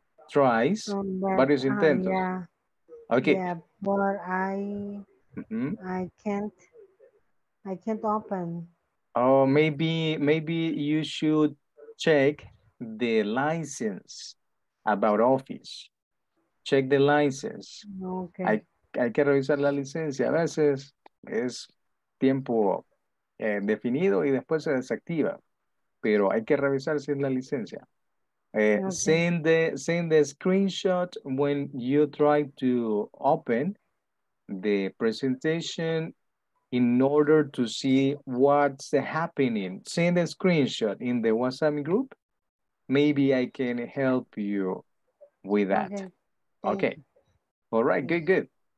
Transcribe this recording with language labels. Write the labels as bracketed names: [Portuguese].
[English] tries, various intentos. Yeah. Okay. Yeah, but I can't open. Oh, maybe you should check the license about Office. Check the license. Okay. [Spanish] Hay que revisar la licencia. A veces es tiempo definido y después se desactiva. Pero hay que revisar si es la licencia. [English] Okay. Send the screenshot when you try to open the presentation in order to see what's happening. Send a screenshot in the WhatsApp group. Maybe I can help you with that. Okay. All right, good, good.